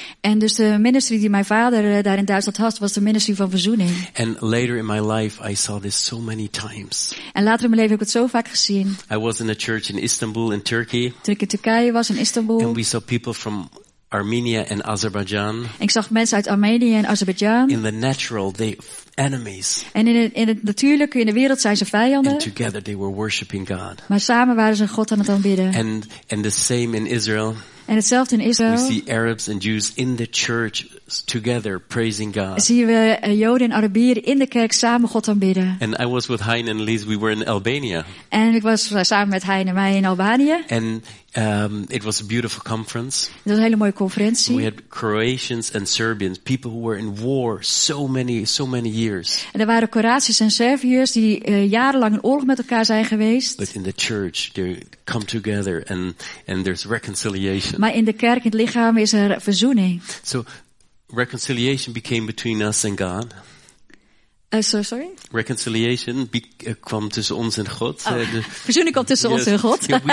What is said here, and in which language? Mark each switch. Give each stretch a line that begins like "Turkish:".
Dutch: En dus de ministry die mijn vader daar in Duitsland had was de ministry van verzoening.
English: And later in my life I saw this so many times.
Dutch: En later in mijn leven heb ik het zo vaak gezien.
English: I was in a church in Istanbul in Turkey.
Dutch: Toen ik in Turkije was in Istanbul.
English: And we saw people from Armenia and Azerbaijan.
Dutch: Ik zag mensen uit Armenië en Azerbeidzjan.
English: In the natural they enemies.
Dutch: En in het natuurlijke in de wereld zijn ze vijanden.
English: And together they were worshiping God.
Dutch: Maar samen waren ze God aan het aanbidden.
English: And the same in Israel.
Dutch: En hetzelfde in Israël.
English: We see Arabs and Jews in the church together praising God.
Dutch: Zien we Joden en Arabieren in de kerk samen God aanbidden.
English: And I was with Hein and Lise, we were in Albania.
Dutch: En ik was samen met Hein en mij in Albanië.
English: And it was a beautiful conference.
Dutch: Het was een hele mooie conferentie.
English: We had Croatians and Serbians, people who were in war so many years.
Dutch: En er waren Kroatiërs en Serviërs die jarenlang in oorlog met elkaar zijn geweest.
English: But in the church they come together and there's reconciliation.
Dutch: Maar in de kerk, in het lichaam, is er verzoening.
English: So reconciliation became between us and God. Sorry.
Dutch: Reconciliation kwam tussen ons en God. Verzoening kwam tussen ons en God.